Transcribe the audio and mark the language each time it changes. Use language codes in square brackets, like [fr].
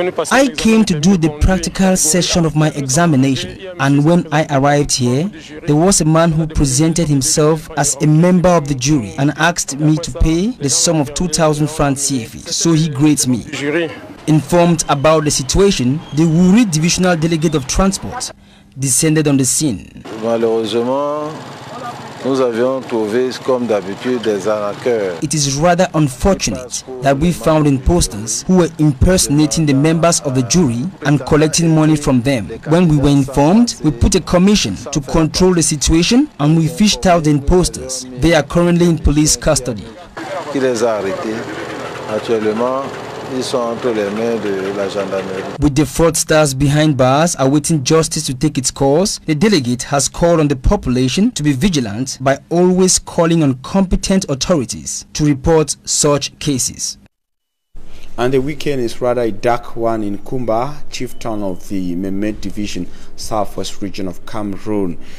[en] I came to do the practical session of my examination, and when I arrived here, there was a man who presented himself as a member of the jury and asked me to pay the sum of 2,000 francs CFE, so he grades me. Informed about the situation, the Wuri Divisional Delegate of Transport descended on the scene. [fr] Malheureusement, nous avions trouvé, comme d'habitude, des arnaqueurs. [en] It is rather unfortunate that we found imposters who were impersonating the members of the jury and collecting money from them. When we were informed, we put a commission to control the situation and we fished out the imposters. They are currently in police custody. [fr] Qui les a arrêtés? Actuellement, ils sont entre les mains de la gendarmerie. [en] With the fraudsters behind bars awaiting justice to take its course, the delegate has called on the population to be vigilant by always calling on competent authorities to report such cases. And the weekend is rather a dark one in Kumba, chieftain of the Mehmet Division, southwest region of Cameroon.